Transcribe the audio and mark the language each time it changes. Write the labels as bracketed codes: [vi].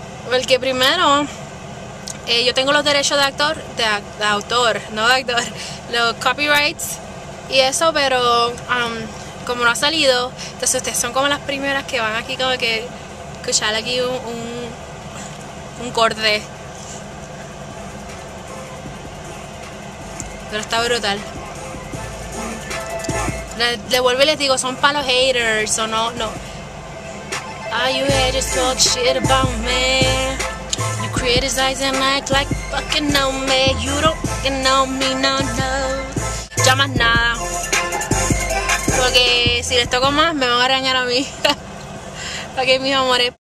[es] Porque primero, yo tengo los derechos de actor, de autor, no de actor, los copyrights y eso, pero como no ha salido, entonces ustedes son como las primeras que van aquí como que escuchar aquí un corte. Pero está brutal. Le vuelvo y les digo, son para los haters, o no, no. [en] All you haters talk shit about me. You criticize and act like fucking no me. You don't fucking know me, no, no. [es] Ya más nada. Porque si les toco más, me van a arañar a mí. Ok, mis amores.